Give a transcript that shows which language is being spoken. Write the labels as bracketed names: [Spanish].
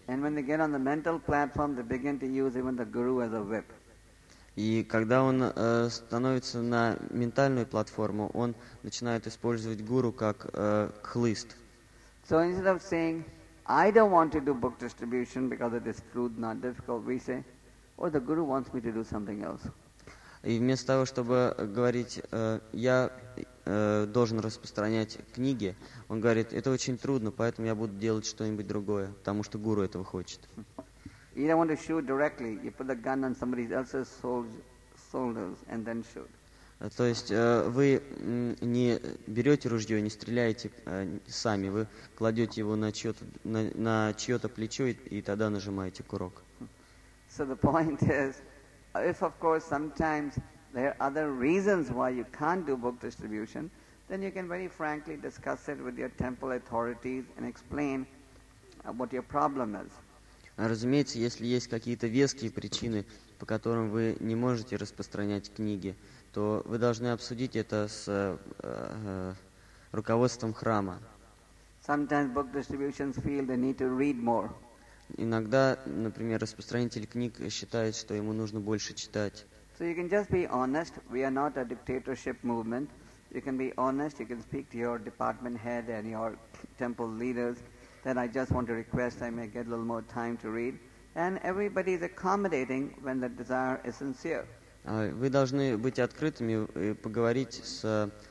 [English] And when they get on the mental platform, they begin to use even the guru as a whip. [Russian] И когда он становится на ментальную платформу, он начинает использовать гуру как хлыст. [English] So instead of saying, I don't want to do book distribution because it is crude, not difficult, we say, oh, the guru wants me to do something else. [Russian] И вместо того, чтобы говорить, я должен распространять книги, он говорит, это очень трудно, поэтому я буду делать что-нибудь другое, потому что гуру этого хочет. [English] You don't want to shoot directly. You put the gun on somebody else's shoulders and then shoot. [Russian] То есть вы не берете ружье, не стреляете сами. Вы кладете его на чье-то плечо и тогда нажимаете курок. [English] So the point is, if of course sometimes there are other reasons why you can't do book distribution, then you can very frankly discuss it with your temple authorities and explain what your problem is. [Russian] Разумеется, если есть какие-то веские причины, по которым вы не можете распространять книги, то вы должны обсудить это с руководством храма. [English] Sometimes book distributions feel they need to read more. [Russian] Иногда, например, распространитель книг считает, что ему нужно больше читать. [English] So you can just be honest. We are not a dictatorship movement. You can be honest. You can speak to your department head and your temple leaders. Then I just want to request I may get a little more time to read. And everybody is accommodating when the desire is sincere. [Russian] Вы должны быть открытыми и поговорить с